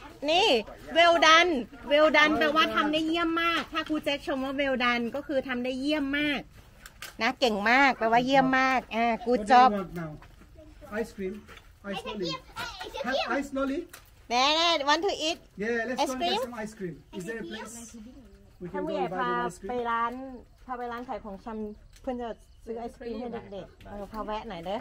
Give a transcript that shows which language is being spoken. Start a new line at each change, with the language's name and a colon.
Thai: นี่
English: well done well done
Thai: แปลว่าทำได้เยี่ยมมากถ้าครูแจ็คชมว่า
English: well done
Thai: ก็คือทำได้เยี่ยมมากนะเก่งมากแปลว่าเยี่ยมมากอ่า
English: good job ice cream ice lolly ice lolly
Thai: แน่ๆ
English: want to eat yeah let's go get some ice cream is there a place
Thai: ถ้าผู้ใหญ่พาไปร้านขายของชำเพื่อนจะซื้อไอศกรีมให้เด็กๆเออพาแวะหน่อยเด้อ